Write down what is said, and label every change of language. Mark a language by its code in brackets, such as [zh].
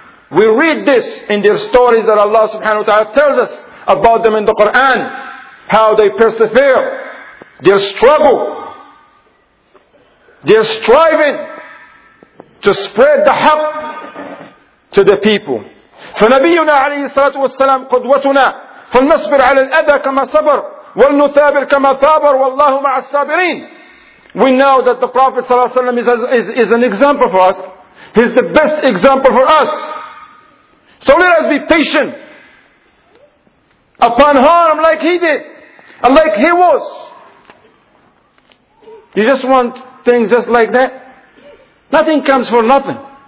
[en] We read this in their stories that Allah subhanahu wa ta'ala tells us about them in the Quran. How they persevere. Their struggle. Their striving to spread the haq to the people. [ar] فنبينا عليه الصلاة والسلام قدوتنا فلنصبر على الأذى كما صبر ولنثابر كما ثابر والله مع الصابرين. [en] We know that the Prophet sallallahu alayhi wa sallam is an example for us. He's the best example for us. So let us be patient upon harm like he did, like he was. You just want things just like that? Nothing comes for nothing.